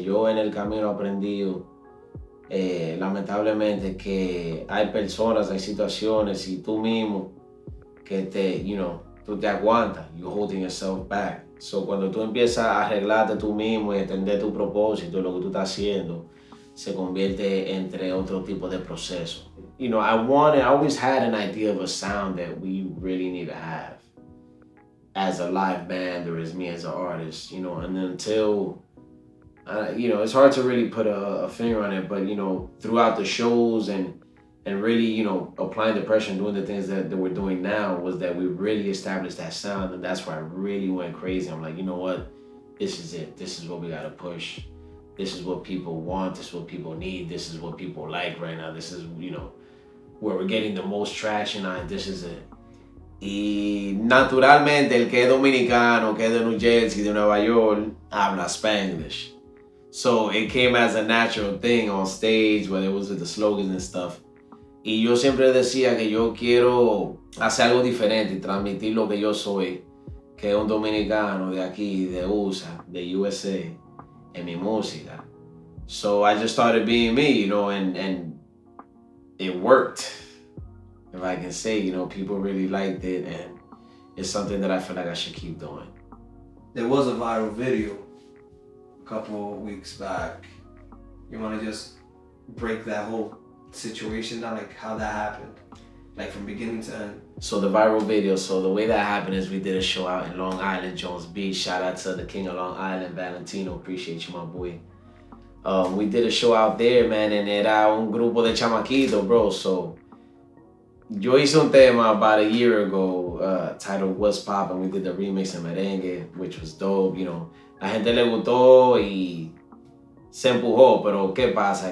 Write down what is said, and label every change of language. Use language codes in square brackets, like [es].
[es] Yo en el camino he aprendido, lamentablemente, que hay personas, hay situaciones y tú mismo que te, you know, tú te aguantas. [en] You're holding yourself back. [es] So cuando tú empiezas a arreglarte tú mismo y entender tu propósito, lo que tú estás haciendo, se convierte entre otro tipo de proceso. [en] You know, I always had an idea of a sound that we really need to have as a live band or as me as an artist, you know, and until, you know, it's hard to really put a finger on it, but, you know, throughout the shows and really, you know, applying the pressure and doing the things that we're doing now was that we really established that sound, and that's where I really went crazy. I'm like, you know what? This is it. This is what we gotta push. This is what people want, this is what people need, this is what people like right now, this is, you know, where we're getting the most traction on, this is it. [es] Y naturalmente, el que es dominicano, que es de New Jersey, de Nueva York, habla Spanglish. [en] So it came as a natural thing on stage, where it was with the slogans and stuff. [es] Y yo siempre decía que yo quiero hacer algo diferente, transmitir lo que yo soy, que es un dominicano de aquí, de USA, de USA. [en] And my music. So I just started being me, you know, and it worked, if I can say, you know, people really liked it, and it's something that I feel like I should keep doing. There was a viral video a couple of weeks back. You want to just break that whole situation down, like how that happened, like from beginning to end? So the viral video, so the way that happened is we did a show out in Long Island, Jones Beach. Shout out to the king of Long Island, Valentino. Appreciate you, my boy. We did a show out there, man, and era un grupo de chamaquitos, bro. So yo hice un tema about a year ago titled What's Pop, and we did the remix of Merengue, which was dope, you know. [es] La gente le gustó y se empujó, pero ¿qué pasa?